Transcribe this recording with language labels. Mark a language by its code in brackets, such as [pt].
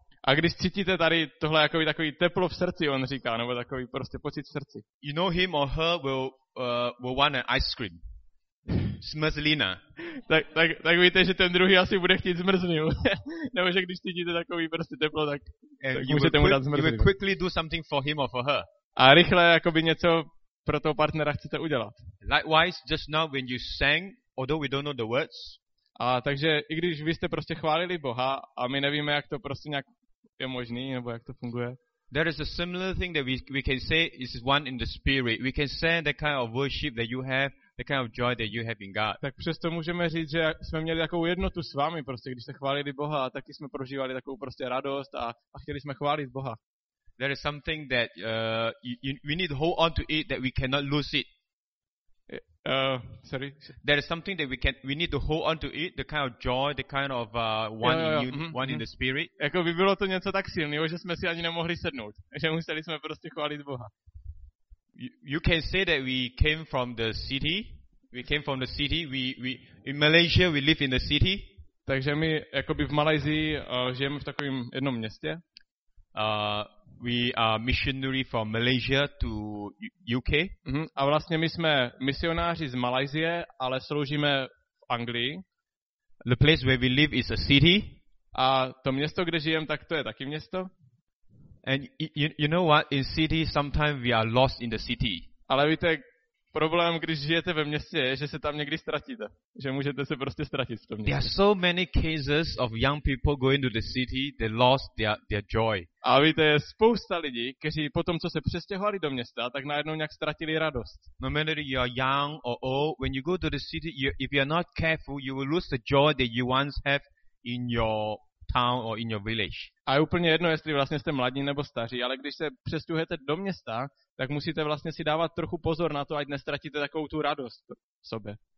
[cs] A když cítíte tady tohle jakoby takový teplo v srdci, on říká, nebo takový prostě pocit v srdci. [en] You know him or her will want an ice cream. [cs] Smrzlina. Tak víte, že ten druhý asi bude chtít zmrzlinu. Nebo že když cítíte takový prostě teplo, tak můžete mu dát zmrzlinu. [en] You will quickly do something for him or for her. [cs] A rychle jakoby něco pro toho partnera chcete udělat. [en] Likewise, just now when you sang, although we don't know the words. [cs] A takže i když vy jste prostě chválili Boha a my nevíme, jak to prostě nějak je možný, nebo jak to funguje. [en] There is a similar thing that we can say is one in the spirit. We can say the kind of worship that you have, the kind of joy that you have in God. [cs] Tak přesto můžeme říct, že jsme měli takovou jednotu s vámi, prostě když jste chválili Boha, a taky jsme prožívali takovou prostě radost a chtěli jsme chválit Boha. [en] There is something that we need to hold on to it that we cannot lose it. Sorry. There is something that we need to hold on to it, the kind of joy, the kind of one in the spirit. [cs] Jako by bylo to něco tak silného, že jsme si ani nemohli sednout, že museli jsme prostě chválit Boha. [en] You can say that we came from the city. We came from the city. We in Malaysia we live in the city. [cs] Takže my jakoby v Malajzii žijeme v takovém jednom městě. [en] We are missionary from Malaysia to UK. Mm-hmm. [cs] A vlastně my jsme misionáři z Malajzie, ale sloužíme v Anglii. [en] The place where we live is a city. [cs] A to město, kde žijem, tak to je taky město. [en] And you know what? In city, sometimes we are lost in the city. [cs] Ale víte, problém, když žijete ve městě, je, že se tam někdy ztratíte. Že můžete se prostě ztratit v tom městě. [en] There are so many cases of young people going to the city, they lost their joy. [cs] A víte, je spousta lidí, kteří po tom, co se přestěhovali do města, tak najednou nějak ztratili radost. [en] No matter you are young or old, when you go to the city, if you are not careful, you will lose the joy that you once have in your town or in your village. [cs] A je úplně jedno, jestli vlastně jste mladí nebo staří, ale když se přestěhujete do města, tak musíte vlastně si dávat trochu pozor na to, ať nestratíte takovou tu radost v sobě.